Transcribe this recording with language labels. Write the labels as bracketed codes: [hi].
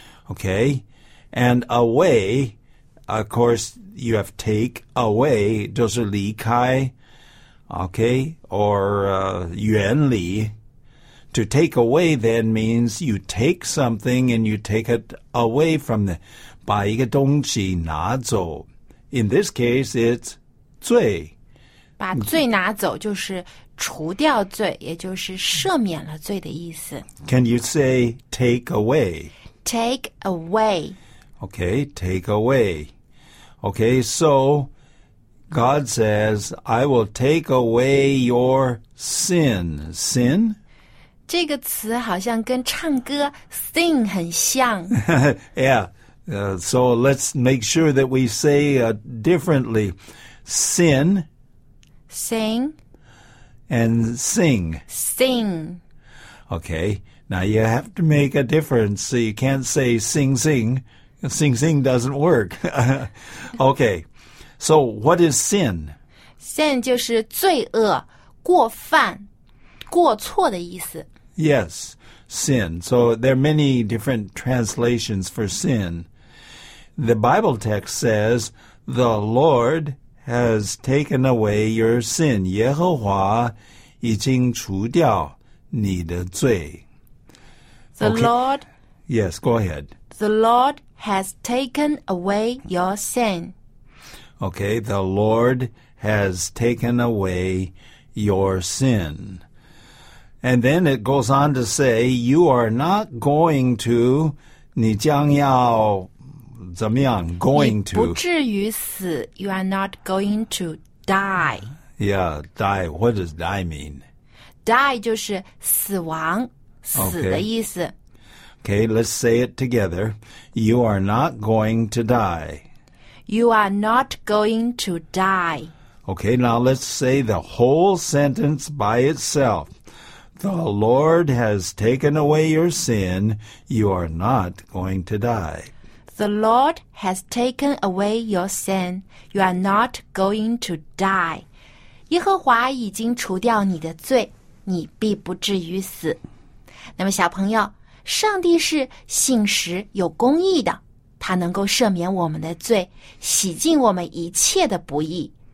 [en] Okay, and away, of course, you have take away, [zh] 就是离开, [en] okay, or 远离. To take away then means you take something and you take it away from the, [zh] 把一个东西拿走. [en] In this case, it's 罪. [zh] 把罪拿走就是除掉罪，也就是赦免了罪的意思。 [en] Can you say take away? Take away. Okay, take away. Okay, so God says, I will take away your sin. Sin? [zh] 这个词好像跟唱歌 sing 很像。 [en] Yeah, so let's make sure that we say differently. Sin. Sing. And sing. Sing. Okay. Now you have to make a difference. So you can't say sing, sing. Sing, sing doesn't work. Okay. So what is sin? [zh] Sin 就是罪恶、过犯、过错的意思。 [en] Yes. Sin. So there are many different translations for sin. The Bible text says, the Lord... has taken away your sin. [zh] 耶和华已经除掉你的罪。 [en] The okay. Lord... Yes, go ahead. The Lord has taken away your sin. Okay, the Lord has taken away your sin. And then it goes on to say, you are not going to... [zh] 你将要... 怎么样 [en] going to [zh] 不至于死 [en] you are not going to die yeah die what does die mean die [zh] 就是死亡死的意思 [en] okay let's say it together you are not going to die you are not going to die okay now let's say the whole sentence by itself the Lord has taken away your sin you are not going to die The Lord has taken away your sin. You are not going to die. [zh] 耶和华已经除掉你的罪，你必不至于死。那么小朋友，上帝是信实有公义的，他能够赦免我们的罪，洗净我们一切的不义。